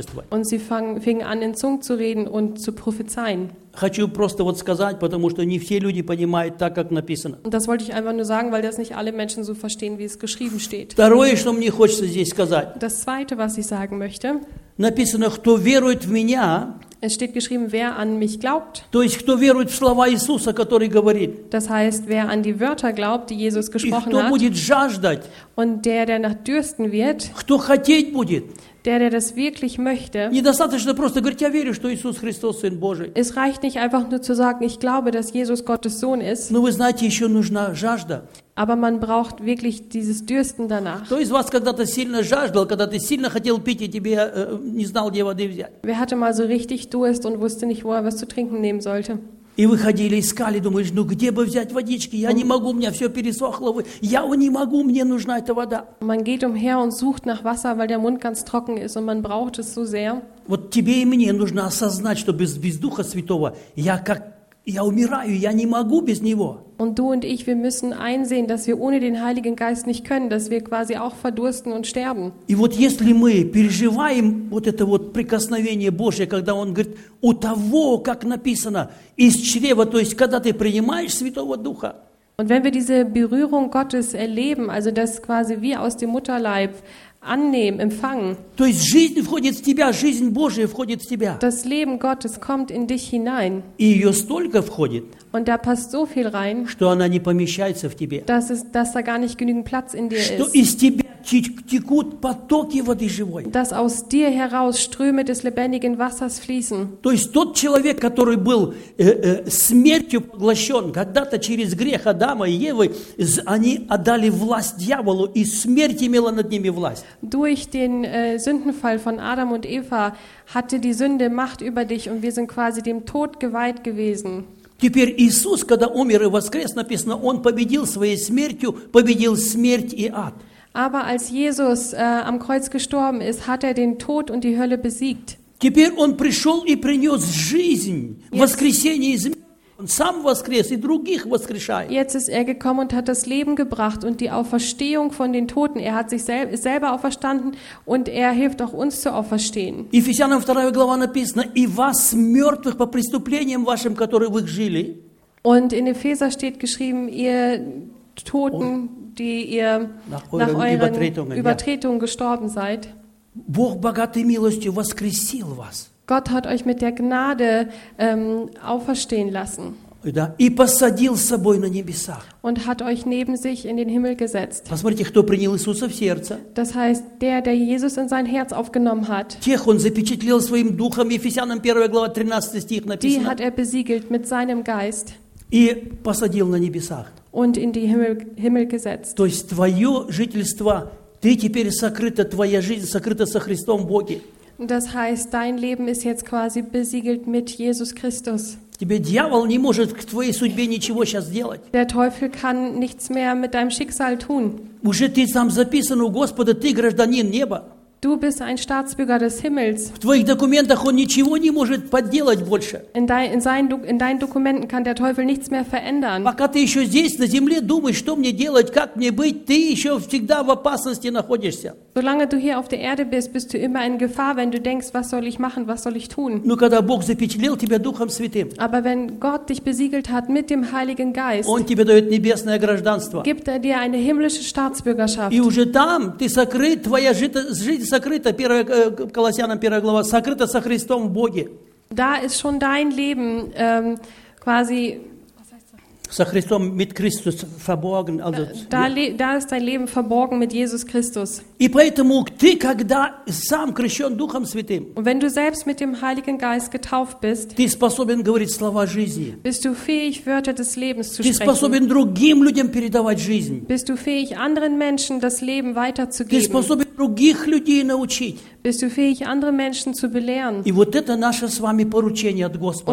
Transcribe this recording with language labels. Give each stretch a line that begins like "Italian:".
German: Und sie fingen an, in Zungen zu reden und zu prophezeien.
Russian: Хочу просто вот сказать, потому что не все люди понимают так, как написано.
German: Das wollte ich einfach nur sagen, weil das nicht alle Menschen so verstehen, wie es geschrieben steht.
Russian: Второе, что мне хочется здесь сказать.
German: Das zweite, was ich sagen möchte.
Russian: Написано, кто верует в меня,
German: Es steht geschrieben, wer an mich glaubt.
Russian: То есть, кто верует в слова Иисуса, который говорит.
German: Das heißt, wer an die Wörter glaubt, die Jesus gesprochen
Russian: и кто
German: hat.
Russian: Будет жаждать,
German: und der nach dürsten wird.
Russian: Кто хотеть будет.
German: Der das wirklich möchte.
Russian: Недостаточно просто говорить, я верю, что Иисус Христос Сын Божий.
German: Es reicht nicht einfach nur zu sagen, ich glaube, dass Jesus Gottes Sohn ist.
Russian: Но вы знаете, еще нужна жажда.
German: Aber man braucht wirklich dieses Dürsten danach.
Russian: Кто из вас когда-то сильно жаждал, когда ты сильно хотел пить, и тебе не знал, где воды взять?
German: Wer hatte mal so richtig Durst und wusste nicht, wo er was zu trinken nehmen sollte?
Russian: И вы ходили, искали, думаешь, ну где бы взять водички? Я не могу, у меня все пересохло. Я не могу, мне нужна эта вода.
German: Man geht umher und sucht nach Wasser, weil der Mund ganz trocken ist und man braucht es so sehr.
Russian: Вот тебе и мне нужно осознать, что без Духа Святого я как... Я умираю, я не могу без него.
German: Und du und ich, wir müssen einsehen, dass wir ohne den Heiligen Geist nicht können, dass wir quasi auch verdursten und sterben.
Russian: И вот если мы переживаем вот это вот прикосновение Божье, когда он говорит, у того, как написано, из чрева, то есть когда ты принимаешь Святого Духа.
German: Und wenn wir diese Berührung Gottes erleben, also das quasi wie aus dem Mutterleib annehmen, empfangen.
Russian: То есть жизнь входит в тебя, жизнь Божия входит в тебя.
German: Das Leben Gottes kommt in dich hinein.
Russian: И ее столько входит.
German: Und da passt so viel rein.
Russian: Что она не помещается в тебе.
German: Dass da gar nicht genügend Platz in dir ist.
Russian: Что из тебя текут потоки воды живой.
German: Dass aus dir heraus Ströme des lebendigen Wassers fließen.
Russian: То есть тот человек, который был смертью поглощен, когда-то через грех Адама и Евы, они отдали власть дьяволу, и смерть имела над ними власть.
German: Durch den Sündenfall von Adam und Eva hatte die Sünde Macht über dich und wir sind quasi dem Tod geweiht gewesen.
Russian: Теперь Иисус, когда умер и воскрес, написано, он победил своей смертью, победил смерть и ад.
German: Aber als Jesus am Kreuz gestorben ist, hat den Tod und die Hölle besiegt.
Russian: Теперь он пришел и принес жизнь, воскресение из мертвых. Он сам воскрес и других воскрешает.
German: Jetzt ist gekommen und hat das Leben gebracht und die Auferstehung von den Toten. Hat sich selber auferstanden und hilft auch uns zu auferstehen.
Russian: Ефесянам 2 глава написано, и вас мертвых по преступлениям вашим, которые вы жили.
German: Und in Epheser steht geschrieben, ihr Toten, die ihr nach euren Übertretungen gestorben seid.
Russian: Бог богатой милостью воскресил вас.
German: Gott hat euch mit der Gnade auferstehen lassen.
Russian: Да, и посадил с собой на небесах.
German: Und hat euch neben sich in den Himmel gesetzt.
Russian: Посмотрите, кто принял Иисуса в сердце.
German: Das heißt, der Jesus in sein Herz aufgenommen hat.
Russian: Тех он запечатлел своим духом, Ефесянам 1 глава 13 стих написано.
German: Die hat besiegelt mit seinem Geist.
Russian: И посадил на небесах.
German: Und in die Himmel gesetzt.
Russian: То есть твое жительство, ты теперь сокрыта, твоя жизнь сокрыта со Христом в Боге.
German: Das heißt, dein Leben ist jetzt quasi besiegelt mit Jesus Christus.
Russian: Тебе дьявол не может к твоей судьбе ничего сейчас сделать.
German: Der Teufel kann nichts mehr mit deinem Schicksal tun.
Russian: Уже ты сам записан у Господа, ты гражданин неба.
German: Du bist ein Staatsbürger des Himmels.
Russian: В твоих документах он ничего не может подделать больше.
German: In deinen Dokumenten kann der Teufel nichts mehr verändern.
Russian: Пока ты еще здесь, на земле, думаешь, что мне делать, как мне быть, ты еще всегда в опасности находишься.
German: Solange du hier auf der Erde bist, bist du immer in Gefahr, wenn du denkst, was soll ich machen, was soll ich tun.
Russian: Но когда Бог запечатлел тебя Духом Святым,
German: aber wenn Gott dich besiegelt hat mit dem Heiligen Geist,
Russian: он тебе дает небесное гражданство.
German: Gibt dir eine himmlische Staatsbürgerschaft.
Russian: И уже там ты сокрыт, твоя жизнь сокрыто, Колоссянам 1 глава, сокрыто со Христом в Боге.
German: Да, ist schon dein Leben quasi
Russian: со Христом,
German: mit Christus verborgen. Also, da ist dein Leben verborgen mit Jesus Christus.
Russian: И поэтому ты, когда сам крещен Духом Святым,
German: und wenn du selbst mit dem Heiligen Geist getauft bist,
Russian: ты способен говорить слова жизни.
German: Bist du fähig, Wörter des Lebens zu
Russian: ты
German: sprechen.
Russian: Способен другим людям передавать жизнь.
German: Bist du fähig, anderen Menschen das Leben weiterzugeben.
Russian: Ты способен других людей научить.
German: Bist du fähig, andere Menschen zu belehren?
Russian: И вот это наше с вами поручение от Господа.